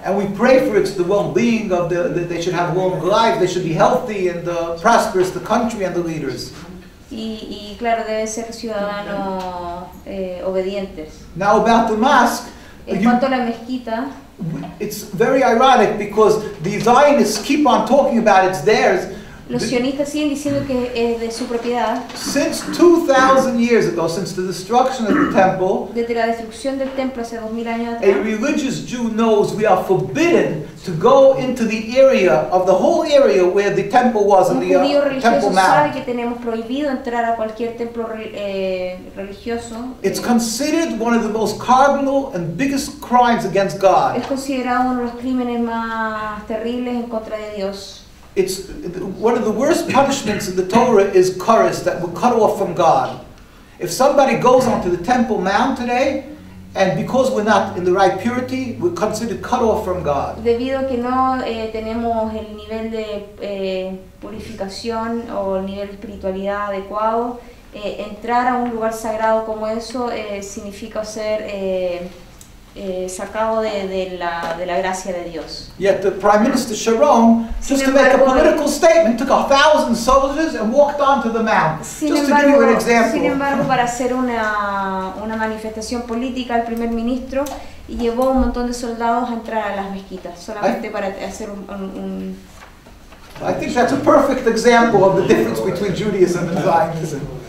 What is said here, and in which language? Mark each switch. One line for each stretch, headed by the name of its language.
English: And we pray for it's the well-being of the that they should have a long life. They should be healthy and prosperous, the country and the leaders.
Spanish: Y claro, deben ser ciudadanos obedientes.
English: Now about the mosque. It's very ironic because the Zionists keep on talking about it's theirs.
Spanish: Los sionistas siguen diciendo que es de su propiedad.
English: Since 2,000 years ago, since the destruction of the temple,
Spanish: desde la destrucción del templo hace 2,000 años atrás,
English: a religious Jew knows we are forbidden to go into the area of the whole area where the temple was in the temple mount.
Spanish: Un judío religioso sabe que tenemos prohibido entrar a cualquier templo religioso.
English: It's considered one of the most cardinal and biggest crimes against God.
Spanish: Es considerado uno de los crímenes más terribles en contra de Dios.
English: It's one of the worst punishments in the Torah is kares, that we're cut off from God. If somebody goes onto the Temple Mount today, and because we're not in the right purity, we're considered cut off from God.
Spanish: Debido a que no tenemos el nivel de purificación o el nivel de espiritualidad adecuado, entrar a un lugar sagrado como eso significa ser sacado de la gracia de Dios.
English: Yet the Prime Minister Sharon, just
Spanish: embargo,
English: to make a political statement, took 1,000 soldiers and walked onto the mount. Just
Spanish: embargo,
English: to give you an example.
Spanish: Sin embargo, para hacer una manifestación política, el primer ministro llevó un montón de soldados a entrar a las mezquitas, solamente para hacer un
English: I think that's a perfect example of the difference between Judaism and Zionism.